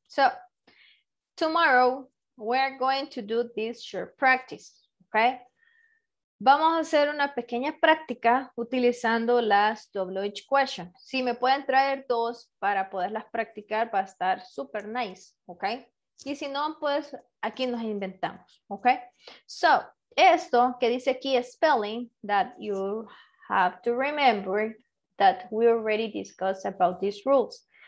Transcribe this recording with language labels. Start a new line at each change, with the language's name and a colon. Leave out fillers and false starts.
English: So, tomorrow we're going to do this short practice. Okay.
Spanish: Vamos a hacer una pequeña práctica utilizando las WH questions. Si me pueden traer dos para poderlas practicar, va a estar super nice, ¿ok? Y si no, pues aquí nos inventamos, ¿ok?
English: So,
Spanish: esto que dice aquí
English: spelling that you have to remember that we already discussed about these rules.